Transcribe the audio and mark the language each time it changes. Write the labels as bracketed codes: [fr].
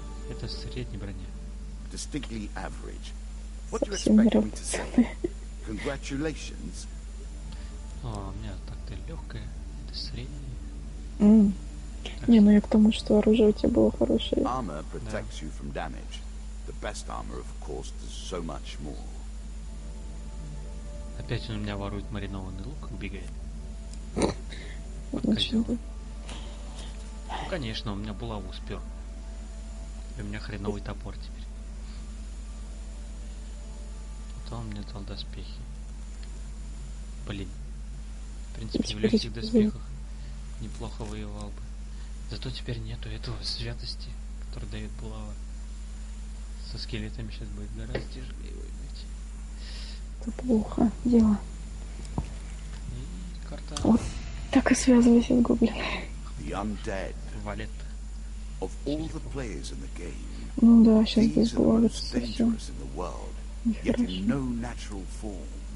[ru] Это средняя броня. [en] Distinctly average. What do you expect me to say? Congratulations. [ru] О, у меня так-то легкое. Это среднее. Не, ну я к тому, что оружие у тебя было хорошее. [en] Armor protects you from damage. The best armor, of course, does so much more. [ru] Опять он у меня ворует маринованный лук и убегает. Ну, конечно, у меня булаву спер. И у меня хреновый топор теперь. Потом он мне дал доспехи. Блин. В принципе, в легких доспехах неплохо воевал бы. Зато теперь нету этого святости, который дает булава. Со скелетами сейчас будет гораздо тяжелее его иметь. Это плохо дело. И карта... Вот так и связывайся с гоблином. [en] The undead. Валет. Of all the players in the game. [ru] Ну да, сейчас здесь главится все. [en] These are the most dangerous in the world, yet in no natural form.